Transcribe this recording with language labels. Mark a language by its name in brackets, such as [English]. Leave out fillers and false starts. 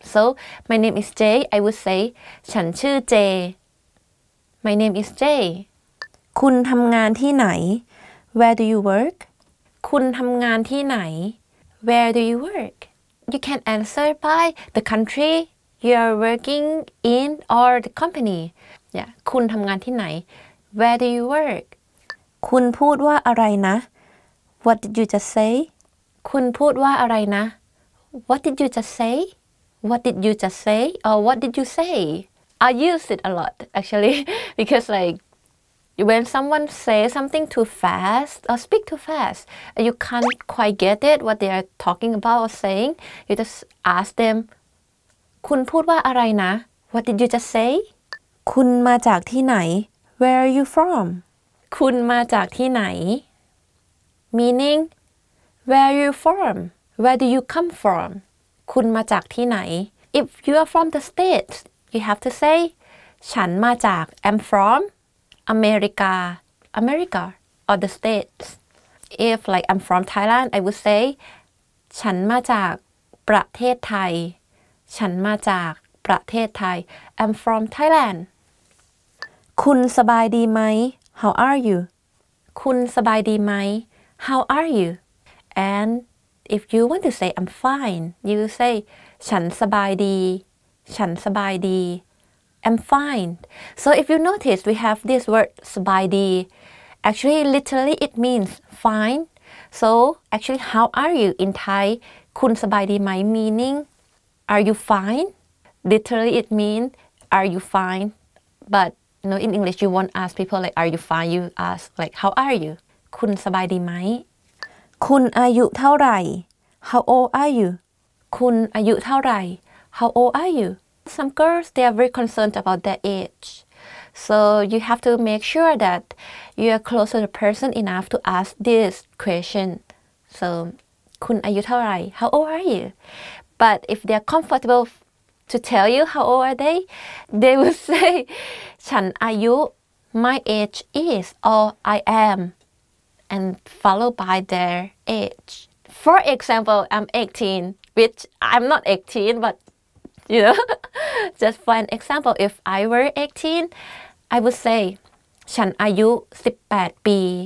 [English] So, my name is Jay, I would say, [Thai] ฉันชื่อ [English] Jay. My name is Jay. [Thai] คุณทำงานที่ไหน? [English] Where do you work? [Thai] คุณทำงานที่ไหน? [English] Where do you work? You can answer by the country you are working in or the company. [Thai] Yeah, คุณทำงานที่ไหน? [English] Where do you work? [Thai] คุณพูดว่าอะไรนะ? [English] What did you just say? [Thai] คุณพูดว่าอะไรนะ [English] What did you just say? What did you just say? Or what did you say? I use it a lot, actually. Because like, when someone says something too fast or speak too fast, you can't quite get it, what they are talking about or saying. You just ask them, [Thai] คุณพูดว่าอะไรนะ [English] What did you just say? [Thai] คุณมาจากที่ไหน [English] Where are you from? [Thai] คุณมาจากที่ไหน [English] Meaning,Where are you from? Where do you come from? [Thai] คุณมาจากที่ไหน? [English] If you are from the States, you have to say, [Thai] ฉันมาจาก, [English] I'm from America. America or the States. If like I'm from Thailand, I would say, [Thai] ฉันมาจากประเทศไทย. ฉันมาจากประเทศไทย. [English] I'm from Thailand. [Thai] คุณสบายดีไหม? [English] How are you? [Thai] คุณสบายดีไหม? [English] How are you? And if you want to say, I'm fine, you say, [Thai] ฉันสบายดี, ฉันสบายดี, [English] I'm fine. So if you notice, we have this word, สบายดี. Actually, literally, it means fine. So actually, how are you in Thai? [Thai] คุณสบายดีไหม? [English] Meaning, are you fine? Literally, it means, are you fine? But you know, in English, you won't ask people like, are you fine? You ask like, how are you? [Thai] คุณสบายดีไหม คุณอายุเท่าไหร่ [English] How old are you? [Thai] คุณอายุเท่าไหร่ [English] How old are you? Some girls, they are very concerned about their age. So you have to make sure that you are close to the person enough to ask this question. So, [Thai] คุณอายุเท่าไหร่ [English] How old are you? But if they are comfortable to tell you how old are they will say, [Thai] ฉันอายุ [English] My age is or I am. And followed by their age. For example, I'm 18, which I'm not 18, but you know, just for an example, if I were 18, I would say, [Thai] ฉันอายุ 18 ปี.